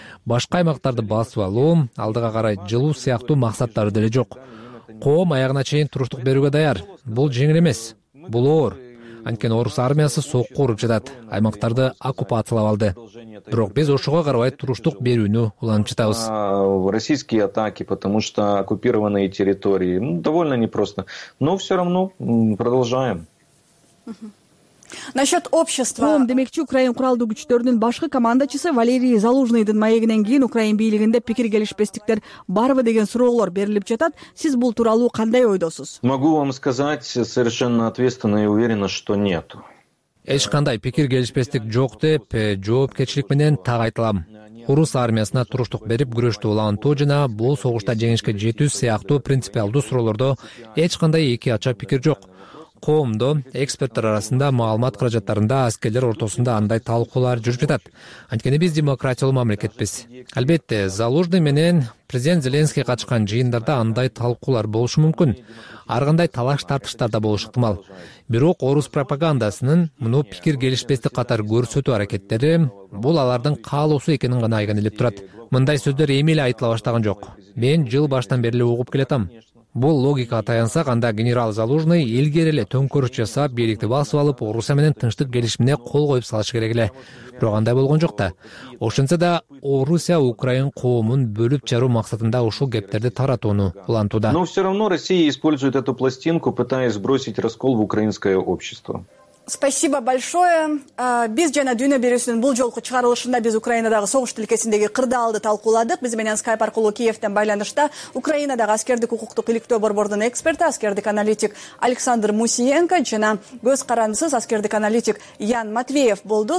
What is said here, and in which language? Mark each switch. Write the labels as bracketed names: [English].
[Kyrgyz] Башка аймактарды басып алуу, алдыга карай жылуу сыяктуу максаттары деле жок. Коом аягына чейин туруштук берүүгө даяр. Бул жеңил эмес, бул оор. Анткени орус армиясы сокку уруп жатат, аймактарды оккупациялап алды. Бирок биз ошого карабай туруштук берүүнү уланып жатабыз. [Russian] Российские атаки, потому что оккупированные территории, довольно непросто. Но все равно продолжаем. Насчет общества. [Kyrgyz] Коом демекчи Украин куралдуу күчтөрүнүн башкы командачысы Валерий Залужныйдын маегинен кийин Украин бийлигинде пикир келишпестиктер барбы деген суроолор берилип жатат. Сиз бул тууралуу кандай ойдосуз? [Russian] Могу вам сказать совершенно ответственно и уверенно, что нету. [Kyrgyz] Эч кандай пикир келишпестик жок деп жоопкерчилик менен так айтылам. Орус армиясына туруштук берип күрөштү улантуу жана бул согушта жеңишке жетүү сыяктуу принципиалдуу суроолордо эч кандай эки ача пикир жок. Коомдо, эксперттер арасында, маалымат каражаттарында, аскерлер ортосунда андай талкуулар жүрүп жатат. Анткени биз демократиялуу мамлекетпиз. Албетте, Залужный менен президент Зеленский катышкан жыйындарда андай талкуулар болушу мүмкүн. Ар кандай талаш тартыштар да болушу ыктымал. Бирок орус пропагандасынын муну пикир келишпестик катары көрсөтүү аракеттери бул алардын каалоосу экенин гана айгинелеп турат. Мындай сөздөр эми эле айтыла баштаган жок. Мен жыл баштан бери эле угуп келатам. Бул логикага таянсак, анда генерал Залужный илгери эле төңкөрүш жасап, бийликти басып алып, Орусия менен тынчтык келишимине кол коюп салышы керек эле. Бирок андай болгон жок да. Ошентсе да, Орусия Украин коомун бөлүп жаруу максатында ушул кептерди таратууну улантууда. [Russian] Но все равно Россия использует эту пластинку, пытаясь сбросить раскол в украинское общество. Спасибо большое. [Kyrgyz] Биз жана дүйнө берүүсүнүн бул жолку чыгарылышында биз Украинадагы согуш тилкесиндеги кырдаалды талкууладык. Биз менен Skype аркылуу Киевтен байланышта Украинадагы аскердик укуктук иликтөө борбордун эксперти, аскердик аналитик Александр Мусиенко жана көз карандысыз аскердик аналитик Ян Матвеев болду.